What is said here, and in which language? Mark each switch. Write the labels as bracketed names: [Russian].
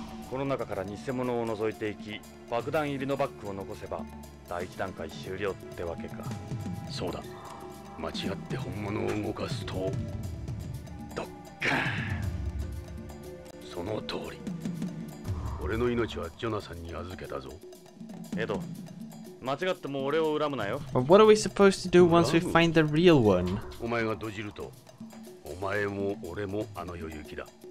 [Japanese] この中から偽物を覗いていき、爆弾入りのバッグを残せば第一段階終了ってわけか。そうだ、間違って本物を動かすとドッカーン。その通り。俺の命はジョナサンに預けたぞ。エド、間違っても俺を恨むなよ。 [English] What are we supposed to do once we find the real one? [Japanese] お前がドジると、お前も俺もあの世行きだ。